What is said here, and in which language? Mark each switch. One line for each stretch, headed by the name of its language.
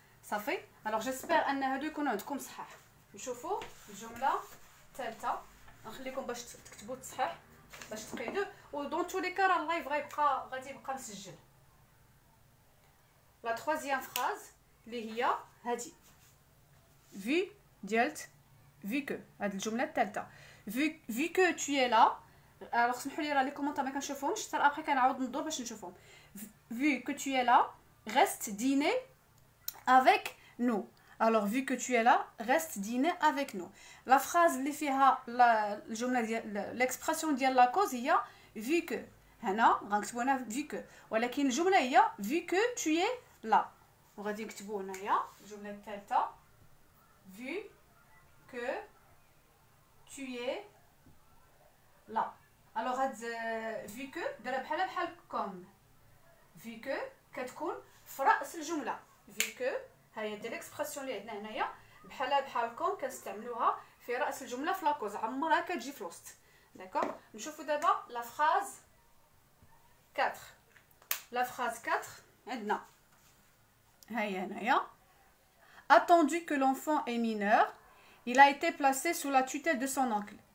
Arabic: صافي الوغ جيسبر ان هادو يكونوا عندكم صحاح. نشوفو الجمله الثالثه، نخليكم باش تكتبوا التصحيح باش تقيدو، ودون تو لي كار اللايف غادي يبقى مسجل. لا ثوازيام فراز اللي هي هادي، في ديالت في كو. هاد الجمله الثالثه، في كو
French: tu es là.
Arabic: الوغ سمحوا لي راه لي كومونتير ما كنشوفهمش، حتى ابري كنعاود ندور باش نشوفهم.
French: في كو tu es là reste dîner avec nous. الوغ في كو tu es là reste dîner avec nous.
Arabic: لا فراز اللي فيها الجمله ديال ليكسبرسيون ديال لا كوز هي في كو. هنا غنكتبو هنا في كو، ولكن الجمله هي في كو
French: tu es là.
Arabic: وغادي نكتبو هنايا الجمله الثالثه، في كو
French: tu es
Arabic: لا. الوغ هاد في كو دايره بحال كوم، في كو كتكون في راس الجمله.
French: vu que
Arabic: هاي ديال الاكسبرسيون اللي عندنا هنايا بحال بحالكم كنستعملوها في راس الجمله في لاكوز عمرها كتجي في الوسط داكور نشوفوا دابا لا فراز 4 لا فراز 4 عندنا هاي هنايا
French: attendu que l'enfant est mineur il a été placé sous la tutelle de son oncle